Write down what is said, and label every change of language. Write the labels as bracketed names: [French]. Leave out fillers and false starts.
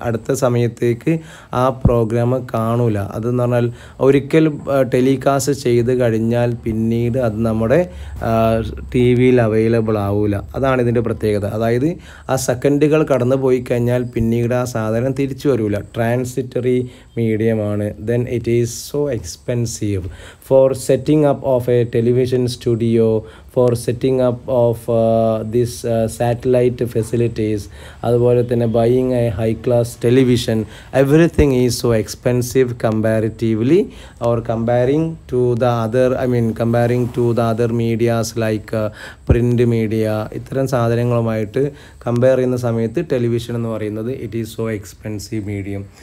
[Malayalam] അടുത്ത സമയത്തേക്ക് ആ പ്രോഗ്രാം കാണൂല. അതെന്ന് പറഞ്ഞാൽ ഒരിക്കൽ ടെലികാസ്റ്റ് ചെയ്ത് കഴിഞ്ഞാൽ പിന്നീട് അത് നമ്മുടെ ടി വിയിൽ അവൈലബിൾ ആവൂല. അതാണ് ഇതിൻ്റെ പ്രത്യേകത. അതായത് ആ സെക്കൻഡുകൾ കടന്നു പോയി കഴിഞ്ഞാൽ പിന്നീട് ആ സാധനം തിരിച്ചു വരൂല. Transitory മീഡിയമാണ്. [English] then it is so expensive for setting up of a television studio, for setting up of this satellite facilities, [Malayalam] അതുപോലെ തന്നെ [English] buying a high class television, everything is so expensive comparatively or comparing to the other, I mean comparing to the other medias like print media, [Malayalam] ഇത്തരം സാധനങ്ങളുമായിട്ട് compare ചെയ്യുന്ന സമയത്ത് television എന്ന് പറയുന്നത് [English] It is so expensive medium.